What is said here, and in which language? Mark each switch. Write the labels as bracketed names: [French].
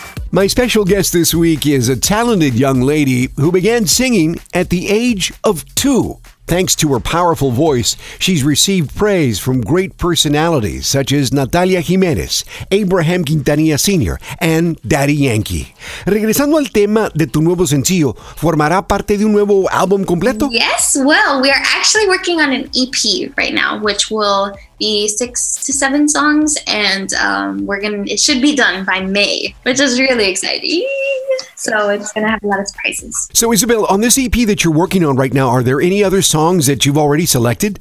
[English] My special guest this week is a talented young lady who began singing at the age of 2. Thanks to her powerful voice, she's received praise from great personalities such as Natalia Jimenez, Abraham Quintanilla Sr., and Daddy Yankee. [Spanish] Regresando al tema de tu nuevo sencillo, ¿formará parte de un nuevo álbum completo? [English] Yes, well, we are actually working on an EP right now, which will be 6 to 7 songs, and it should be done by May, which is really exciting. So it's going to have a lot of surprises. So Isabel, on this EP that you're working on right now, are there any other songs that you've already selected?